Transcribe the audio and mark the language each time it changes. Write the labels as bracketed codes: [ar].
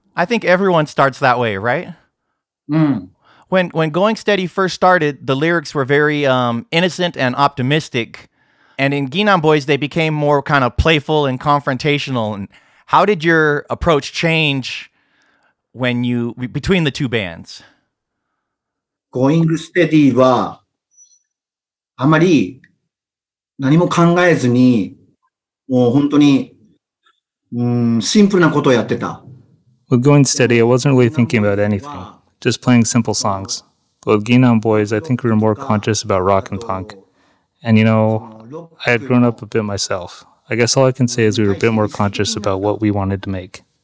[en] I think everyone starts that way, right? When Going Steady first started, the lyrics were very innocent and optimistic. And in Geenon Boys, they became more kind of playful and confrontational. And how did your approach change when you between the two bands? [ja] Going Steady はあまり何も考えずにもう本当にシンプルなことをやってた。 [en] With Going Steady, I wasn't really thinking about anything, just playing simple songs. But with Geenon Boys, I think we were more conscious about rock and punk. And you know, I had grown up a bit myself. I guess all I can say is we were a bit more conscious about what we wanted to make.